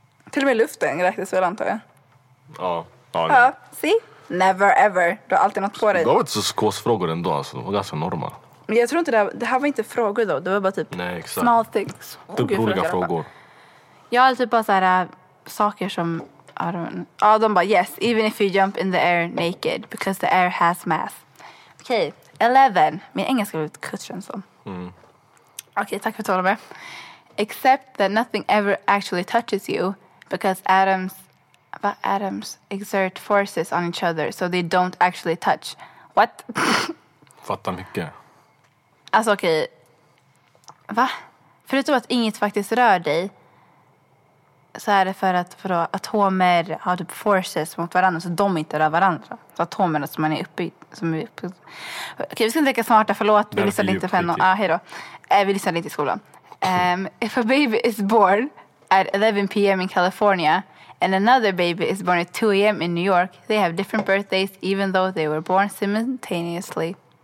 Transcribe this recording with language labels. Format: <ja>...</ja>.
<sv>Till och med luften räknas väl, antar jag. Ja.</sv> <en>See? Never ever.</en> <sv>Du har alltid något på dig. Det var inte så skåsfrågor ändå, alltså. Det var ganska normal. Men jag tror inte det här var inte frågor då. Det var bara typ nej, exakt,</sv> <en>small things.</en> <sv>Typ roliga frågor. Jag har typ bara så här saker som...</sv> <en>Ja, de bara, yes, even if you jump in the air naked, because the air has mass.</en> <sv>Okej, okay. 11. Min engelska har blivit kutschen som. Mm. Okej, okay, tack för att du håller med.</sv> <en>Except that nothing ever actually touches you, because atoms exert forces on each other, so they don't actually touch. What?</en> <sv>Fattar mycket. Alltså, okej. Okay. Va? Förutom att inget faktiskt rör dig, så är det för att för då, atomer har typ forces mot varandra, så de inte rör varandra. Så atomerna som man är uppe i... Okej, vi ska inte leka smarta, förlåt. Vi lyssnade inte för en och... hej då. Vi lyssnade inte i skolan.</sv> <en>If a baby is born at 11 p.m. in California and another baby is born at 2 a.m. in New York, they have different birthdays even though they were born simultaneously.</en>